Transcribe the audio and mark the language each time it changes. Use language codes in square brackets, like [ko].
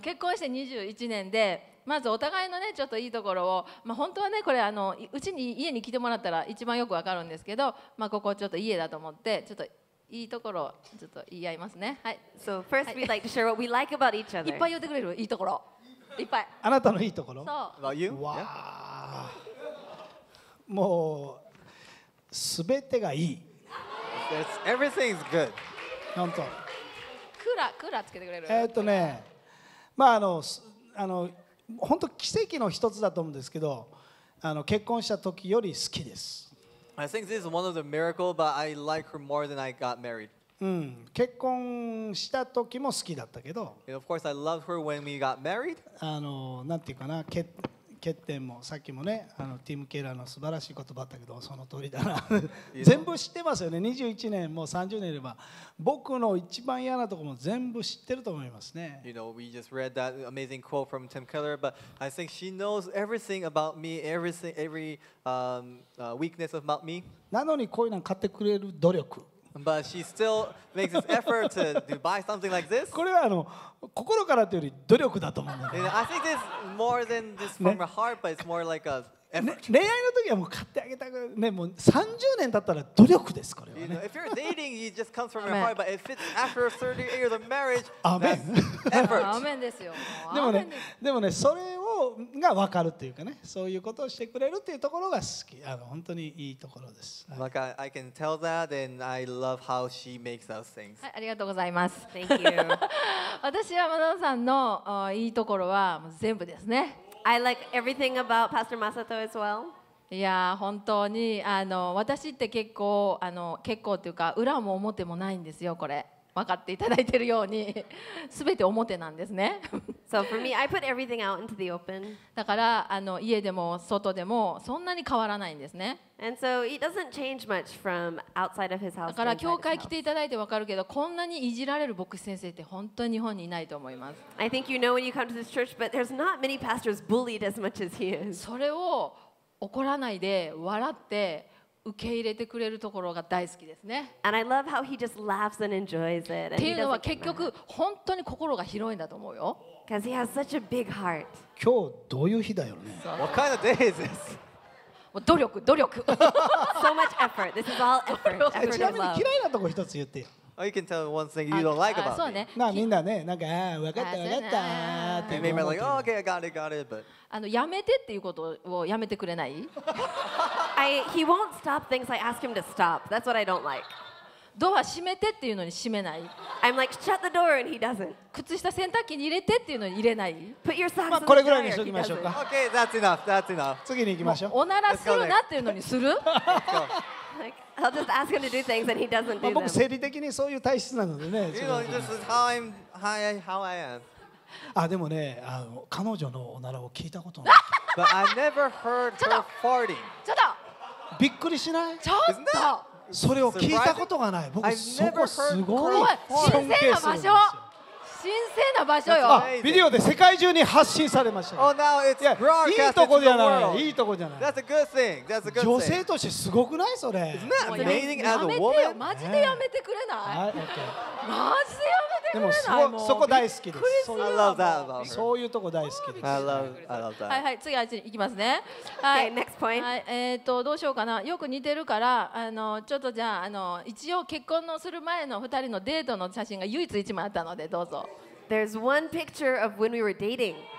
[ja] 結婚して21年で。まずお互いのねちょっといいところを、まあ、本当はねこれうちに家に来てもらったら一番よくわかるんですけど、まあ、ここちょっと家だと思ってちょっといいところをちょっと言い合いますね。はい。 [en] So first we'd like to share what we like about each other. [ja] いっぱい言ってくれる？いいところ。いっぱい。あなたのいいところ？そう。 [en] About you? [ja] わあ。もうすべてがいい。 [en] That's everything is good. [ja] 本当。クラつけてくれる？ね、まあ本当奇跡の一つだと思うんですけど、結婚した時より好きです。 [en] I think this is one of the miracle, but I like her more than I got married. [ja] うん、結婚した時も好きだったけど。 [en] And of course, I loved her when we got married. [ja] なんていうかな、欠点もさっきもね、ティム・ケラーの素晴らしい言葉だったけど、その通りだな。全部知ってますよね。 21年もう30年いれば、僕の一番嫌なところも全部知ってると思いますね。 [en] You know, we just read that amazing quote from Tim Keller, but I think she knows everything about me, everything, every weakness about me. [ja] なのにこういうの買ってくれる努力。 [en] But she still makes this effort to buy something like this. [ja] これは心からというより努力だと思うんだけど。 [en] I think this more than just from her heart, but it's more like a effort. [ja] 恋愛の時はもう買ってあげたくね、もう30年経ったら努力ですこれはね。 [en] If you're dating, it just comes from your heart, but if it's after 30 years of marriage, [ja] effort. アーメンですよ。でもね、それをが分かるというかね、そういうことをしてくれるというところが好き、本当にいいところです。 [en] Like I can tell that, and I love how she makes those things. [ja] はい、ありがとうございます。 [en] Thank you. [ja] 私はマサトさんのいいところはもう全部ですね。 [en] I like everything about Pastor Masato as well. [ja] いや、本当に私って結構結構というか裏も表もないんですよこれ。分かっていただいているように、すべて表なんですね。 [en] So for me, I put everything out into the open. [ja] だから家でも外でもそんなに変わらないんですね。 [en] And so he doesn't change much from outside of his house. [ja] だから教会来ていただいて分かるけど、こんなにいじられる牧師先生って本当に日本にいないと思います。 [en] I think you know when you come to this church, but there's not many pastors bullied as much as he is. [ja] それを怒らないで笑って。受け入れてくれるところが大好きですね。 [en] And I love how he just laughs and enjoys it. [ja] っていうのは結局本当に心が広いんだと思うよ。 [en] Because he has such a big heart. [ja] 今日どういう日だよね。 [en] What kind of day is this? [ja] 努力、努力。 [en] So much effort. This is all effort. [ja] ちなみに嫌いなとこ一つ言ってよ。 [en] Oh, you can tell one thing you don't like about me. [ja] なあみんなね、なんか分かった分かったって [en] Maybe like, oh, okay, I got it, got it, but. [ja] やめてっていうことをやめてくれない？ [en] He won't stop things. I ask him to stop. That's what I don't like. [ja] ドア閉めてっていうのに閉めない。 [en] I'm like, shut the door, and he doesn't. [ja] 靴下洗濯機に入れてっていうのに入れない。 [en] Put your socks in the dryer. [ja] これぐらいにしときましょうか。 [en] Okay, that's enough. That's enough. [ja] 次に行きましょう。おならするなっていうのにする？ [en] I'll just ask him to do things, and he doesn't do them. [ja] 僕生理的にそういう体質なのでね。 [en] You know, this is how I am. [ja] でもね、彼女のおならを聞いたことない。 [en] But I never heard her farting. [ja] ちょっと。びっくりしない？ちょっと。それを聞いたことがない。僕そこすごい尊敬するんですよ。神聖な場所、神聖な場所よ。あ、ビデオで世界中に発信されました。 [en] Oh, now it's broadcast. [ja] いいとこじゃない、いいとこじゃない。 [en] That's a good thing. That's a good thing. [ja] 女性としてすごくないそれ。 [en] Isn't that amazing as a woman? [ja] マジでやめてくれない。はい、OK。マジでやめてくれない。でもそこ大好きです。 [en] I love that about her. [ja] そういうとこ大好きです。 [en] I love that. [ja] はいはい、次あっちに行きますね。 [en] はい、next point。 [ja] はい、どうしようかな。よく似てるから、ちょっとじゃあ、一応結婚のする前の二人のデートの写真が唯一一枚あったので、どうぞ。 [en] There's one picture of when we were dating.